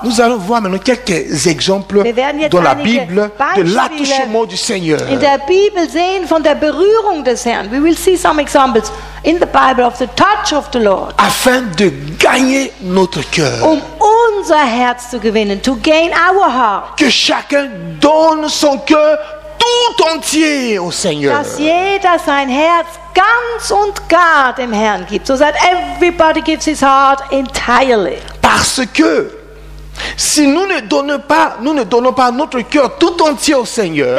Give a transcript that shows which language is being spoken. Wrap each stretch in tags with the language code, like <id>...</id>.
<fr>Nous allons voir maintenant quelques exemples dans la Bible de l'attouchement du Seigneur.</fr> <de>In der Bibel sehen von der Berührung des Herrn.</de> <en>We will see some examples in the Bible of the touch of the Lord.</en> <fr>Afin de gagner notre cœur.</fr> <de>Um unser Herz zu gewinnen,</de> <en>to gain our heart.</en> <fr>Que chacun donne son cœur tout entier au Seigneur.</fr> <de>Dass jeder sein Herz ganz und gar dem Herrn gibt.</de> <en>So that everybody gives his heart entirely.</en> <fr>Parce que si nous ne donnons pas notre cœur tout entier au Seigneur,</fr>